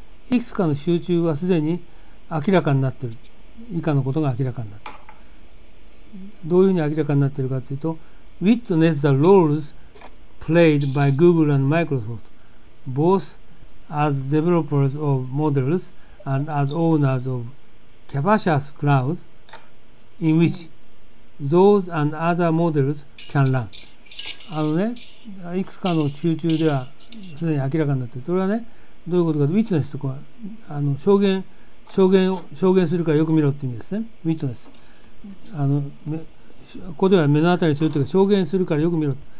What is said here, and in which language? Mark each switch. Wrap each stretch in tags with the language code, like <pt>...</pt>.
<ja>いくつかの集中はすでに明らかになっている。以下のことが明らかになっている。どういうふうに明らかになっているかというと、</ja> <en>witness the roles played by Google and Microsoft, both as developers of models and as owners of capacious clouds in which those and other models can run。</en> <ja>あのね、いくつかの集中ではすでに明らかになっている。それはね、どういうことかと、witness とか、あの証言するからよく見ろって意味ですね。</ja> <en>witness。</en> <ja>あの、ここでは目の当たりするというか、証言するからよく見ろ。</ja>